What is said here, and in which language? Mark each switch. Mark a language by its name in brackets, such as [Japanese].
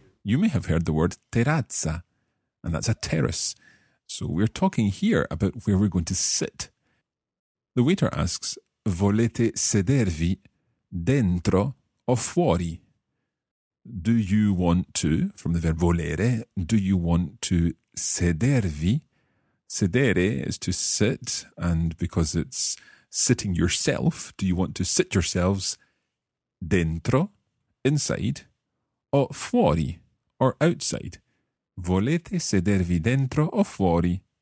[English] You may have heard the word terrazza, and that's a terrace. So we're talking here about where we're going to sit. The waiter asks, [Italian] volete sedervi dentro o fuori? [English] Do you want to, from the verb volere, do you want to sedervi? Sedere is to sit, and because it's sitting yourself, do you want to sit yourselves dentro, inside, o fuori, or outside? [Italian] Volete sedervi dentro o fuori?